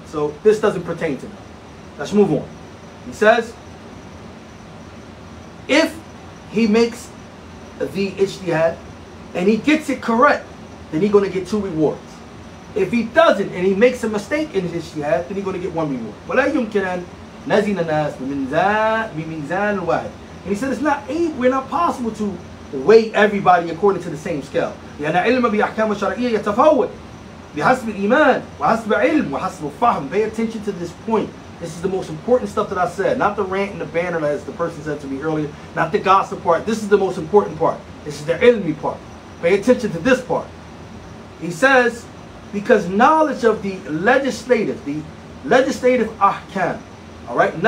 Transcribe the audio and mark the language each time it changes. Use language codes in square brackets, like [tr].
[en] So this doesn't pertain to them. Let's move on. He says, if he makes the ijtihad and he gets it correct, then he's going to get two rewards. If he doesn't and he makes a mistake in his jihad, then he's going to get one reward. But [ar] لا يمكن أن نزين الناس بميزان واحد. [en] And he said, we're not possible to weigh everybody according to the same scale. [ar] لأن علم بأحكام الشرعية يتفاوت بحسب الإيمان وحسب علم وحسب الفهم. [en] Pay attention to this point. This is the most important stuff that I said. Not the rant and the banter, as the person said to me earlier. Not the gossip part. This is the most important part. This is the ilmi part. Pay attention to this part. He says, because knowledge of the legislative ahkam, all right?